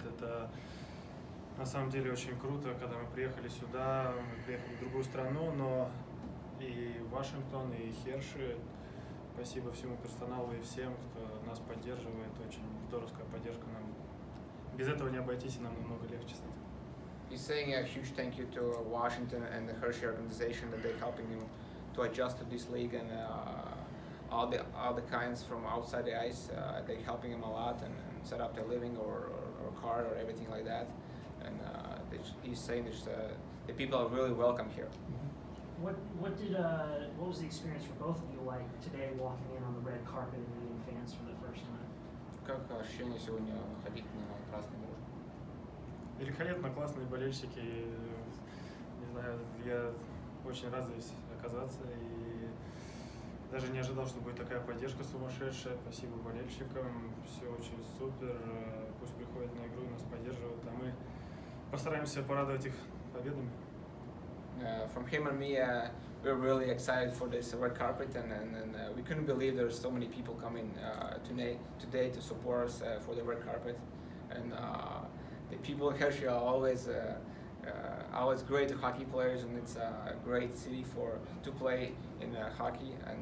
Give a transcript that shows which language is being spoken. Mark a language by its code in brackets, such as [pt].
[ru] Это на самом деле очень круто, когда мы приехали сюда, мы приехали в другую страну, но и Вашингтон, и Hershey. Спасибо всему персоналу и всем, кто нас поддерживает. Очень здоровская поддержка нам. Без этого не обойтись, и нам намного легче стать. [en] He's saying a huge thank you to Washington and the Hershey organization that they're helping him to adjust to this league, and all the kinds from outside the ice, they're helping him a lot and set up their living or car or everything like that. And he's saying that the people are really welcome here. What was the experience for both of you like today, walking in on the red carpet and meeting fans for the first time? [ru] Как ощущение сегодня ходить на красный мур? Великолепно, классные болельщики. Не знаю, я очень рад здесь оказаться и даже не ожидал, что будет такая поддержка сумасшедшая. Спасибо болельщикам, все очень супер. Пусть приходят на игру и нас поддерживают, а мы постараемся порадовать их победами. [en] From him and me, we were really excited for this red carpet, and we couldn't believe there were so many people coming today to support us for the red carpet. And the people in Hershey are always always great hockey players, and it's a great city to play in hockey.